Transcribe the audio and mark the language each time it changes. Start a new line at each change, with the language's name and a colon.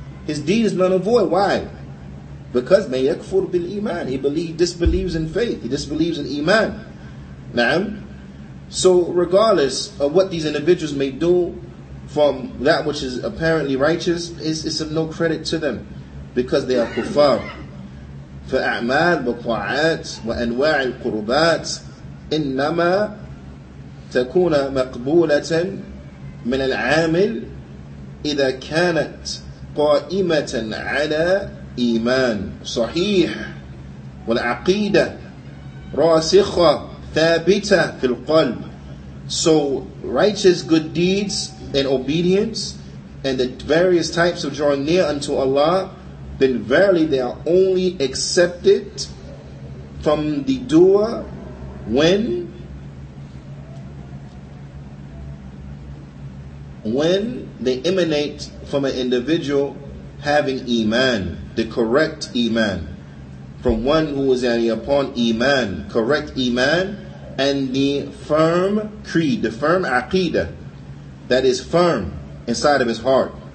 English: His deed is null and void. Why? Because
Arabic: may yakfur bil iman.
English: He disbelieves in faith. He disbelieves in iman. Naam. So regardless of what these individuals may do from that which is apparently righteous, it's of no credit to them because they are kuffar.
Arabic: فَأَعْمَالُ بَقْوَعَاتٍ وَأَنْوَاعِ الْقُرُبَاتِ إِنَّمَا تَكُونَ مَقْبُولَةً مِنَ الْعَامِلِ إِذَا كَانَتْ قَائِمَةً عَلَى إيمان صحيح والعقيدة راسخة ثابتة في القلب.
English: So righteous good deeds and obedience and the various types of drawing near unto Allah, then verily they are only accepted from the doer when they emanate from an individual having iman, the correct iman, from one who is upon iman, correct iman, and the firm creed, the firm aqidah, that is firm inside of his heart.